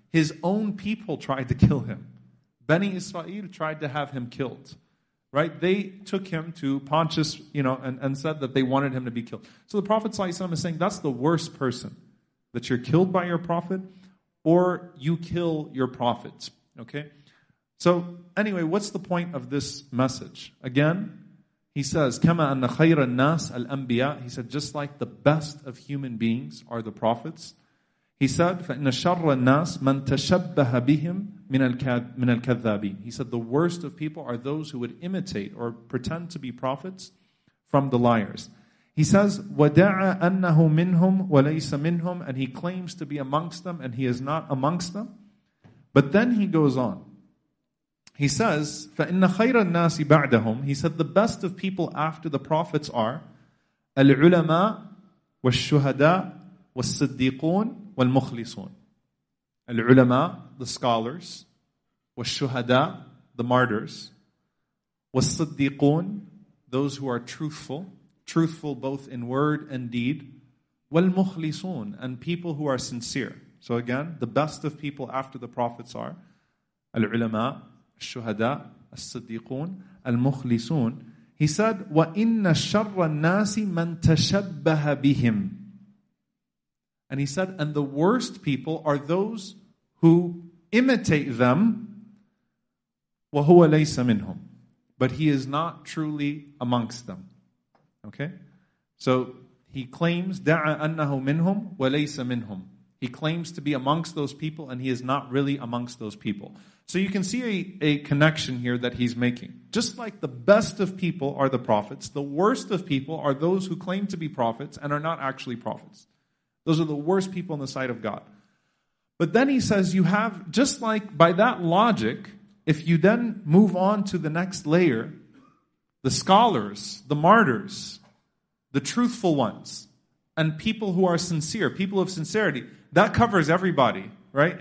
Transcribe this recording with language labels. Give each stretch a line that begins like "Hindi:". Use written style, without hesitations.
English: His own people tried to kill him. Bani Israel tried to have him killed. Right? They took him to Pontius, you know, and said that they wanted him to be killed. So the Prophet ﷺ is saying, that's the worst person, that you're killed by your prophet or you kill your prophet. Okay? So anyway, what's the point of this message? Again, he says,
Arabic: كَمَا أَنَّ خَيْرَ النَّاسِ الْأَنْبِيَاءِ.
English: He said, just like the best of human beings are the prophets. He said,
Arabic: فَإِنَّ شَرَّ النَّاسِ مَنْ تَشَبَّهَ بِهِمْ مِنَ الْكَذَّابِينَ.
English: He said, the worst of people are those who would imitate or pretend to be prophets from the liars. He says,
Arabic: وَدَعَ أَنَّهُ مِنْهُمْ وَلَيْسَ مِنْهُمْ.
English: And he claims to be amongst them and he is not amongst them. But then he goes on. He says,
Arabic: فَإِنَّ خَيْرَ النَّاسِ بَعْدَهُمْ.
English: He said, the best of people after the prophets are
Arabic: الْعُلَمَاء وَالشُّهَدَاءُ وَالصِّدِّيقُونَ وَالْمُخْلِصُونَ. الْعُلَمَاء,
English: the scholars,
Arabic: وَالشُّهَدَاء,
English: the martyrs,
Arabic: وَالصِّدِّيقُونَ,
English: those who are truthful, truthful both in word and deed,
Arabic: وَالْمُخْلِصُونَ,
English: and people who are sincere. So again, the best of people after the prophets are
Arabic: الْعُلَمَاء, الشُّهَدَاء, الصِّدِّيقُونَ, الْمُخْلِصُونَ.
English: He said,
Arabic: وَإِنَّ شَرَّ النَّاسِ مَنْ تَشَبَّهَ بِهِمْ.
English: And he said, and the worst people are those who imitate them,
Arabic: وَهُوَ لَيْسَ مِنْهُمْ,
English: but he is not truly amongst them. Okay? So he claims,
Arabic: دَعَ أَنَّهُ مِنْهُمْ وَلَيْسَ مِنْهُمْ.
English: He claims to be amongst those people and he is not really amongst those people. So you can see a connection here that he's making. Just like the best of people are the prophets, the worst of people are those who claim to be prophets and are not actually prophets. Those are the worst people in the sight of God. But then he says, you have, just like by that logic, if you then move on to the next layer, the scholars, the martyrs, the truthful ones, and people who are sincere, people of sincerity, that covers everybody. Right?